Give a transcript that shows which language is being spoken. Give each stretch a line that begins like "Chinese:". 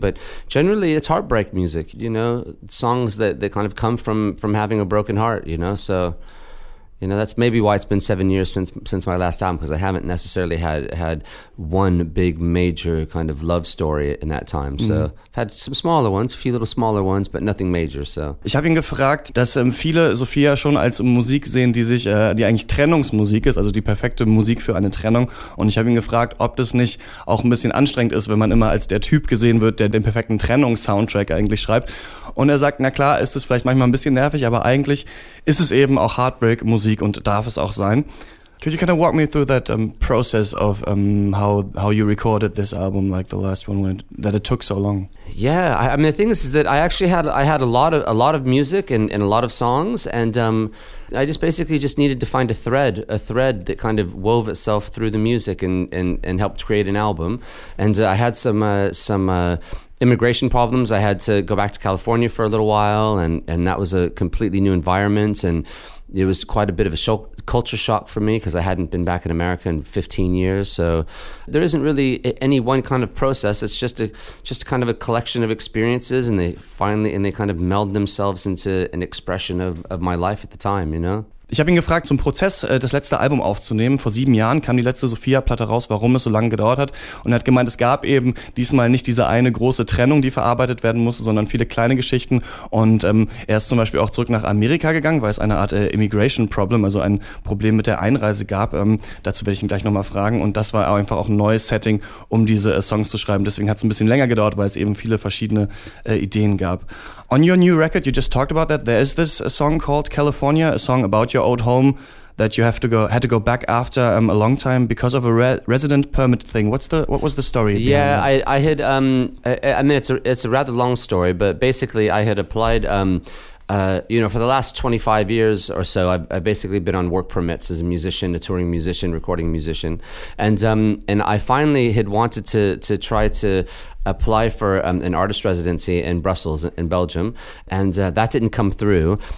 English: But generally it's heartbreak music, you know, songs that kind of come from having a broken heart, you know? So, you know, that's maybe why it's been 7 years since my last album, because I haven't necessarily had one big major kind of love story in that time. So I've had some smaller ones, a few little smaller ones, but nothing major. So
German: ich habe ihn gefragt, dass viele Sophia schon als Musik sehen, die eigentlich Trennungsmusik ist, also die perfekte Musik für eine Trennung. Und ich habe ihn gefragt, ob das nicht auch ein bisschen anstrengend ist, wenn man immer als der Typ gesehen wird, der den perfekten Trennungssoundtrack eigentlich schreibt. Und er sagt, na klar, ist es vielleicht manchmal ein bisschen nervig, aber eigentlich ist es eben auch Heartbreak-Musik. Musik und darf es auch sein.
English: Could you kind of walk me through that process of how you recorded this album, like the last one, that it took so long? Yeah, I mean, the thing is that I had a lot of music and a lot of songs, and I just basically just needed to find a thread that kind of wove itself through the music and helped create an album. And I had some immigration problems. I had to go back to California for a little while, and that was a completely new environment, and it was quite a bit of a culture shock for me because I hadn't been back in America in 15 years. So there isn't really any one kind of process. It's just kind of a collection of experiences, and they kind of meld themselves into an expression of my life at the time, you know?
German: Ich habe ihn gefragt, zum Prozess das letzte Album aufzunehmen. Vor 7 Jahren kam die letzte Sophia-Platte raus, warum es so lange gedauert hat. Und er hat gemeint, es gab eben diesmal nicht diese eine große Trennung, die verarbeitet werden musste, sondern viele kleine Geschichten. Und er ist zum Beispiel auch zurück nach Amerika gegangen, weil es eine Art Immigration Problem, also ein Problem mit der Einreise gab. Dazu werde ich ihn gleich nochmal fragen. Und das war einfach auch ein neues Setting, um diese Songs zu schreiben. Deswegen hat es ein bisschen länger gedauert, weil es eben viele verschiedene Ideen gab.
English: On your new record, you just talked about that, there is this song called California, a song about your old home that you had to go back after a long time because of a resident permit thing. What was the story? Yeah, I had it's a rather long story, but basically I had applied you know, for the last 25 years or so, I've basically been on work permits as a musician, a touring musician, recording musician, and I finally had wanted to try to apply for an artist residency in Brussels, in Belgium, and that didn't come through.